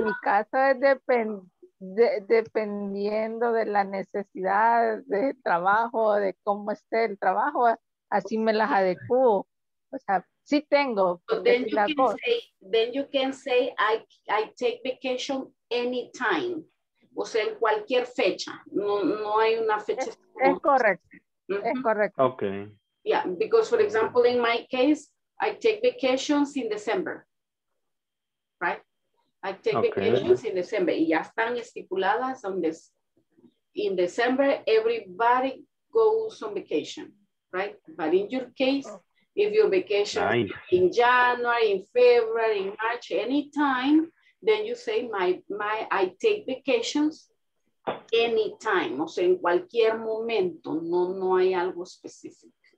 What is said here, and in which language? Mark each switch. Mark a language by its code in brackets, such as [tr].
[es] En mi caso es dependiendo de la necesidad de trabajo, de cómo esté el trabajo, así me las adecuo. O sea, sí tengo. [en] Then you can say I take vacation anytime. [es] O sea, en cualquier fecha. No hay una fecha. Es correcto. Mm-hmm. Es correcto. [en] Okay. Yeah, because for example, in my case, I take vacations in December. Right? I take vacations in December. [es] Y ya están estipuladas donde [en] in December everybody goes on vacation. Right? But in your case, if your vacation in January, in February, in March, anytime, then you say my I take vacations anytime. [es] O sea, en cualquier momento, no hay algo específico.